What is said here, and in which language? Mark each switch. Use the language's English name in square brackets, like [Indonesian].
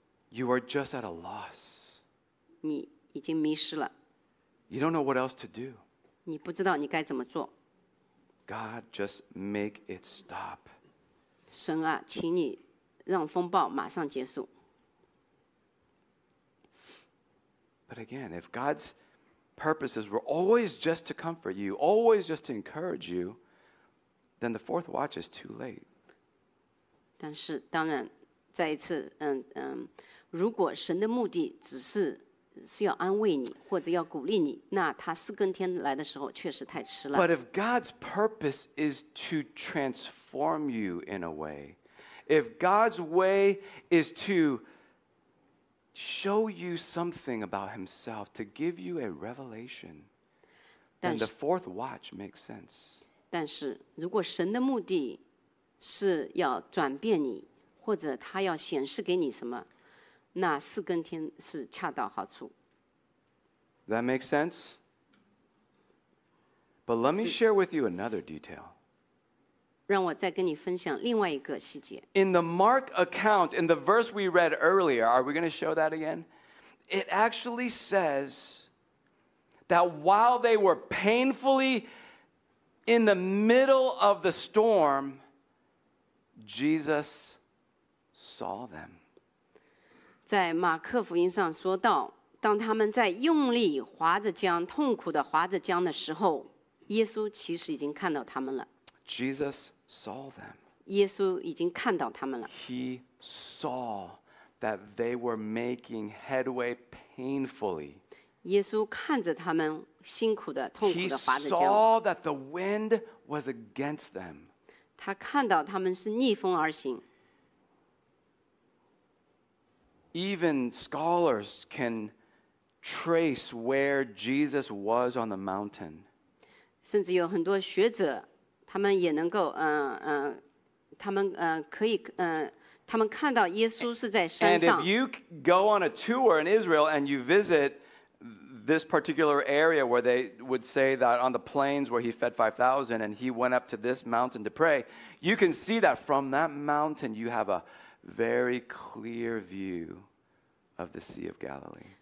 [English] You are just at a loss. [Chinese] 你已经迷失了。 [English] You don't know what else to do. [Chinese] 你不知道你该怎么做。 [English] God, just make it stop. [Chinese] 神啊，请你让风暴马上结束。 [English] But again, if God's purposes were always just to comfort you, always just to encourage you, then the fourth watch is too late. [Chinese] 但是当然，再一次，如果神的目的只是是要安慰你或者要鼓励你那他四更天来的时候确实太迟了 [English] But if God's purpose is to transform you in a way If God's way is to show you something about himself to give you a revelation, then the fourth watch makes sense. [Chinese] 但是如果神的目的是要转变你，或者他要显示给你什么，那四更天是恰到好处。 [English] That makes sense? But let me share with you another detail. [Chinese] 让我再跟你分享另外一个细节。 [English] In the Mark account, in the verse we read earlier, are we going to show that again? It actually says that while they were painfully in the middle of the storm, Jesus saw them. [Chinese] 在马可福音上说到，当他们在用力划着桨，痛苦地划着桨的时候，耶稣其实已经看到他们了。 [English] Jesus saw them. [Chinese] 耶稣已经看到他们了。 [English] He saw that they were making headway painfully. [Chinese] 耶稣看着他们辛苦地、痛苦地划着桨。 [English] He saw that the wind was against them. [Chinese] 他看到他们是逆风而行。 [English] Even scholars can trace where Jesus was on the mountain. [Chinese] 甚至有很多学者，他们也能够，他们可以，他们看到耶稣是在山上。 [English] And if you go on a tour in Israel and you visit this particular area where they would say that on the plains where he fed 5,000 and he went up to this mountain to pray, you can see that from that mountain you have a very clear view of the Sea of Galilee.